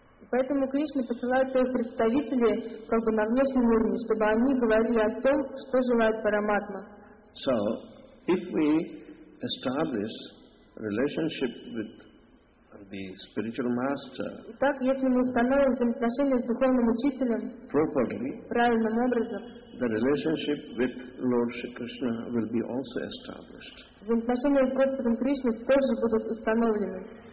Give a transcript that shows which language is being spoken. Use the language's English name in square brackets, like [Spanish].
[Russian] Поэтому Кришна посылает своих представителей как бы на внешнем уровне, чтобы они говорили о том, что желает Параматма. [English] So, if we establish relationship with the spiritual master. [Russian] Итак, если мы установим взаимоотношения с духовным учителем [English] properly, [Russian] правильным образом, [English] the relationship with Lord Shri Krishna will be also established. [Russian] Взаимоотношения с Господом Кришной тоже будут установлены.